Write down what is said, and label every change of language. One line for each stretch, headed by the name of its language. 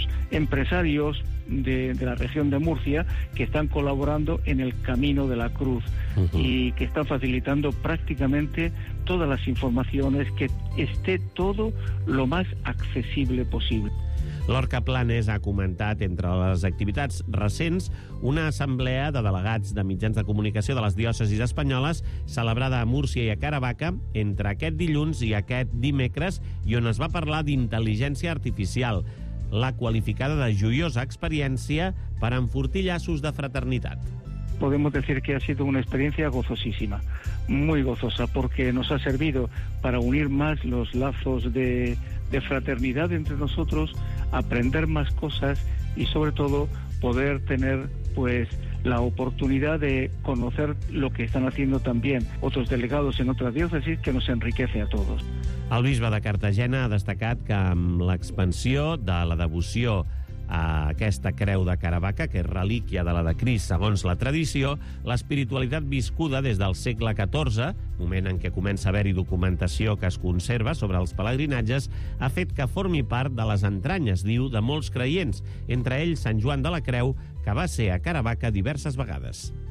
Spanish: empresarios de la región de Murcia, que están colaborando en el Camino de la Cruz y que están facilitando prácticamente todas las informaciones, que esté todo lo más accesible posible.
Catalan: Lorca Planes ha comentat, entre les activitats recents, una assemblea de delegats de mitjans de comunicació de les diòcesis espanyoles celebrada a Múrcia i a Caravaca entre aquest dilluns i aquest dimecres, i on es va parlar d'intel·ligència artificial, la qualificada de joiosa experiència per enfortir llaços de fraternitat.
Spanish: Podemos decir que ha sido una experiencia gozosísima, muy gozosa, porque nos ha servido para unir más los lazos de fraternidad entre nosotros, aprender más cosas y, sobre todo, poder tener pues la oportunidad de conocer lo que están haciendo también otros delegados en otras diócesis, que nos enriquece a todos.
Catalan: El bisbe de Cartagena ha destacat que amb l'expansió de la devoció a aquesta creu de Caravaca, que és relíquia de la de Crist segons la tradició, l'espiritualitat viscuda des del segle XIV, moment en què comença a haver-hi documentació que es conserva sobre els pelegrinatges, ha fet que formi part de les entranyes, diu, de molts creients, entre ells Sant Joan de la Creu, que va ser a Caravaca diverses vegades.